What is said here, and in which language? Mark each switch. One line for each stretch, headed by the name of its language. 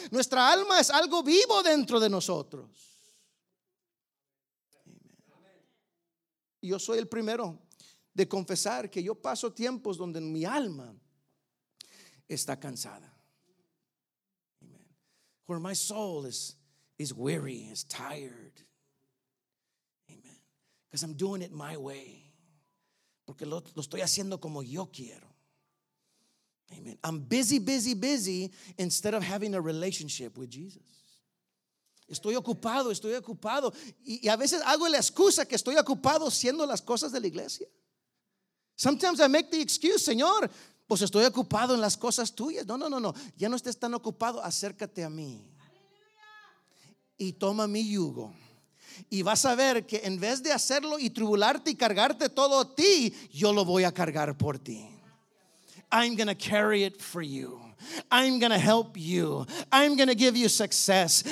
Spanish: Nuestra alma es algo vivo dentro de nosotros. Amen. Yo soy el primero de confesar que yo paso tiempos donde mi alma está cansada. Amen.
English: Where my soul is weary, is tired. Because I'm doing it my way.
Spanish: Porque lo estoy haciendo como yo quiero. Amen.
English: I'm busy, busy, busy instead of having a relationship with Jesus.
Spanish: Estoy ocupado, estoy ocupado. Y a veces hago la excusa que estoy ocupado haciendo las cosas de la iglesia.
English: Sometimes I make the excuse,
Spanish: Señor, pues estoy ocupado en las cosas tuyas. No, no, no, no. Ya no estés tan ocupado, acércate a mí. Y toma mi yugo. Y vas a ver que en vez de hacerlo y tribularte y cargarte todo a ti, yo lo voy a cargar por ti.
English: I'm going to carry it for you. I'm going to help you. I'm going to give you success.